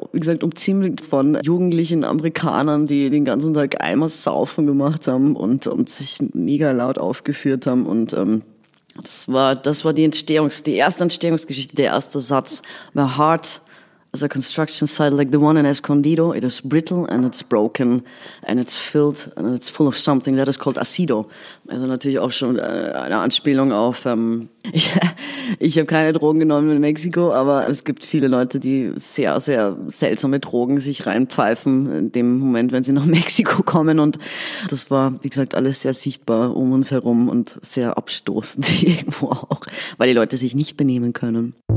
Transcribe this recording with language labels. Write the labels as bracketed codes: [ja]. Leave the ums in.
[de] Wie gesagt, umzimmelt von jugendlichen Amerikanern, die den ganzen Tag Eimer saufen gemacht haben und, und, sich mega laut aufgeführt haben und, ähm, das war, das war die Entstehungs-, die erste Entstehungsgeschichte, der erste Satz. [en] My heart the construction site like the one in Escondido, it is brittle and it's broken and it's filled and it's full of something that is called acido. [de] Also natürlich auch schon eine Anspielung auf, ähm, ich, ich habe keine Drogen genommen in Mexiko, aber es gibt viele Leute, die sehr, sehr seltsame Drogen sich reinpfeifen in dem Moment, wenn sie nach Mexiko kommen. Und das war, wie gesagt, alles sehr sichtbar um uns herum und sehr abstoßend irgendwo auch, weil die Leute sich nicht benehmen können.